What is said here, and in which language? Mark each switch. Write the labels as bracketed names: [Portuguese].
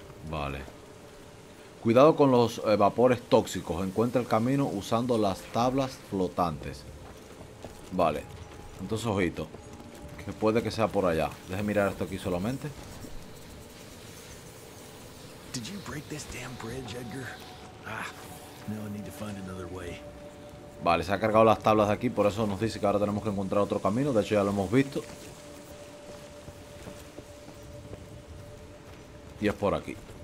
[Spanish] Vale. Cuidado con los vapores tóxicos. Encuentra el camino usando las tablas flotantes. Vale. Entonces, ojito. Que puede que sea por allá. Deje mirar esto aquí solamente. [English] Did you break this damn bridge, Edgar? Ah, now I need to find another way. [Spanish] Vale, se ha cargado las tablas de aquí, por eso nos dice que ahora tenemos que encontrar otro camino. De hecho, ya lo hemos visto. Y es por aquí.